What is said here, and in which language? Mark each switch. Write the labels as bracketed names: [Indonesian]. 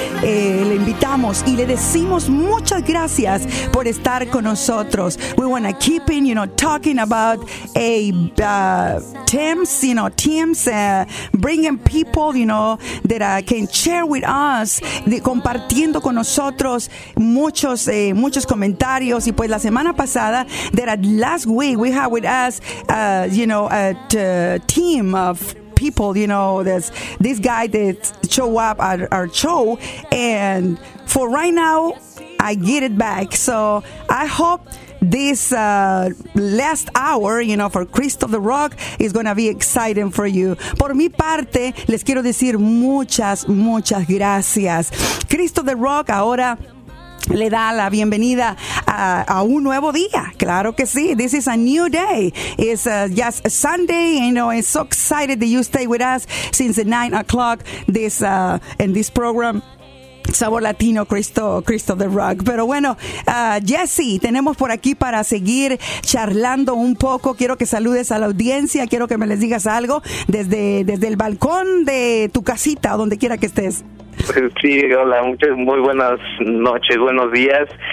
[Spanish] Le invitamos y le decimos muchas gracias por estar con nosotros. [English] We want to keep in, you know, talking about a Tim's, you know, Tim's, bringing people, you know, that can share with us, [Spanish] compartiendo con nosotros muchos, muchos comentarios. Y pues la semana pasada, [English] that last week we had with us, you know, a team of people, you know, this guy that show up at our show. And for right now, I get it back. So I hope this last hour, you know, for Cristo the Rock is going to be exciting for you. [Spanish] Por mi parte, les quiero decir muchas, muchas gracias. Cristo the Rock ahora le da la bienvenida a un nuevo día. Claro que sí. [English] This is a new day. It's just Sunday. You know, I'm so excited that you stay with us since 9 o'clock this in this program. [Spanish] Sabor Latino, Cristo the Rock. Pero bueno, Jesse, tenemos por aquí para seguir charlando un poco. Quiero que saludes a la audiencia. Quiero que me les digas algo desde el balcón de tu casita o donde quiera que estés. Sí, hola, muy buenas noches, buenos días.